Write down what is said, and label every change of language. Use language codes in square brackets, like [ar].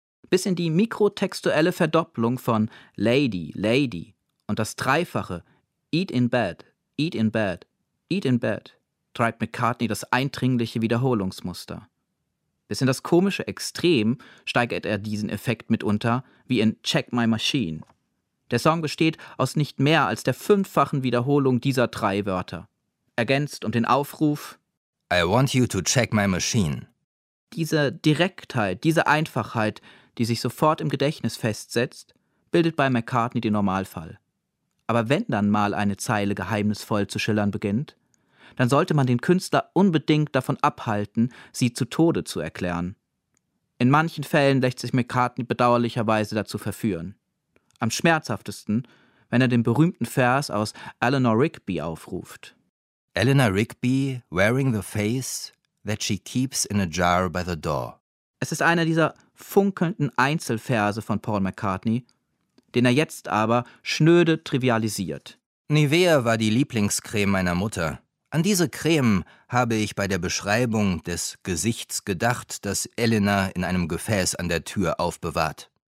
[de] Bis in die mikrotextuelle Verdopplung von Lady, Lady und das dreifache [en] Eat in bed, eat in bed, [de] eat in bed treibt McCartney das eindringliche Wiederholungsmuster. Bis in das komische Extrem steigert er diesen Effekt mitunter, wie in Check My Machine. Der Song besteht aus nicht mehr als der fünffachen Wiederholung dieser drei Wörter. Ergänzt um den Aufruf [en] I want you to check my machine. [de] Diese Direktheit, diese Einfachheit, die sich sofort im Gedächtnis festsetzt, bildet bei McCartney den Normalfall. Aber wenn dann mal eine Zeile geheimnisvoll zu schillern beginnt, dann sollte man den Künstler unbedingt davon abhalten, sie zu Tode zu erklären. In manchen Fällen lässt sich McCartney bedauerlicherweise dazu verführen. Am schmerzhaftesten, wenn er den berühmten Vers aus Eleanor Rigby aufruft. [en] Eleanor Rigby wearing the face that she keeps in a jar by the door. [de] Es ist einer dieser funkelnden Einzelverse von Paul McCartney, den er jetzt aber schnöde trivialisiert. Nivea war die Lieblingscreme meiner Mutter. An diese Creme habe ich bei der Beschreibung des Gesichts gedacht, das Eleanor in einem Gefäß an der Tür aufbewahrt.